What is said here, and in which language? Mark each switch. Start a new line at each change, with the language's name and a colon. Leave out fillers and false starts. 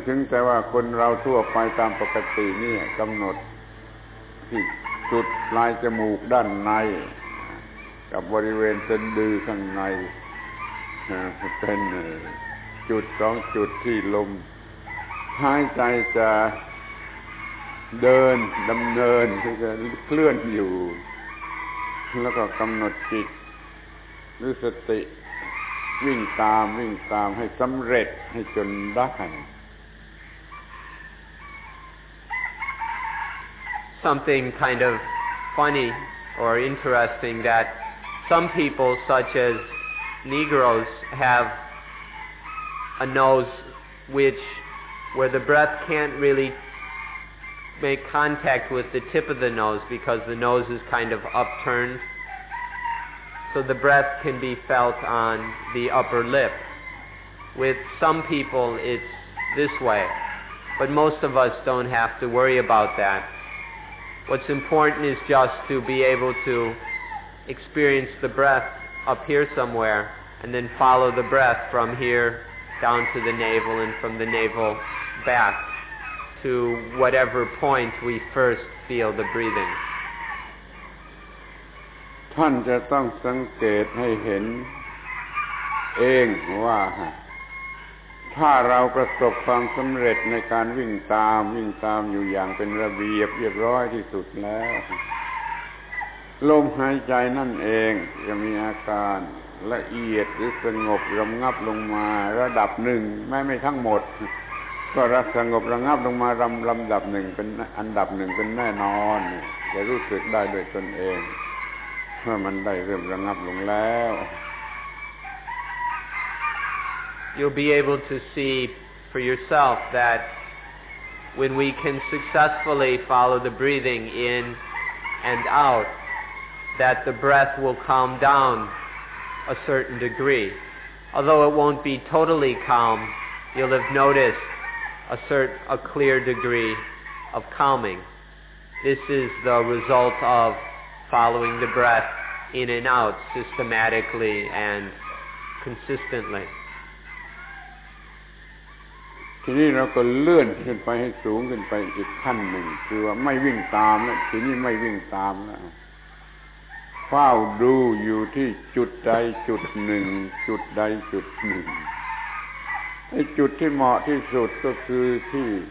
Thai: แต่ว่าคนเราทั่วไปตามปกตินี่กำหนดที่จุดปลายจมูกด้านในกับบริเวณสะดือข้างในเป็นจุดสองจุดที่ลมหายใจจะเดินดำเนินที่จะเคลื่อนอยู่แล้วก็กำหนดจิตรู้สติวิ่งตามวิ่งตามให้สำเร็จให้จนได้
English: Something kind of funny or interesting that some people such as Negroes have a nose where the breath can't really make contact with the tip of the nose because the nose is kind of upturned. So the breath can be felt on the upper lip. With some people, it's this way. But most of us don't have to worry about that. What's important is just to be able to experience the breath up here somewhere and then follow the breath from here down to the navel and from the navel back to whatever point we first feel the breathing.
Thai: ท่านจะต้องสังเกตให้เห็นเองว่าถ้าเราประสบความสำเร็จในการวิ่งตามวิ่งตามอยู่อย่างเป็นระเบียบเรียบร้อยที่สุดแล้ว ลมหายใจนั่นเองจะมีอาการละเอียดหรือสงบระงับลงมาระดับหนึ่งแม้ไม่ทั้งหมดก็ระสงบระงับลงมาลำดับหนึ่งเป็นอันดับหนึ่งเป็นแน่นอนจะรู้สึกได้ด้วยตนเองเมื่อมันได้เริ่มระงับลงแล้ว
English: You'll be able to see for yourself that when we can successfully follow the breathing in and out, that the breath will calm down a certain degree. Although it won't be totally calm, you'll have noticed a clear degree of calming. This is the result of following the breath in and out systematically and consistently.
Thai: ทีนี้เราก็เลื่อนขึ้นไปให้สูงขึ้นไปอีกขั้นหนึ่งคือว่าไม่วิ่งตามแล้วทีนี้ไม่วิ่งตามแล้วเฝ้าดูอยู่ที่จุดใดจุดหนึ่งจุดใดจุดหนึ่งไอ้จุดที่เหมาะที่สุดก็คือที่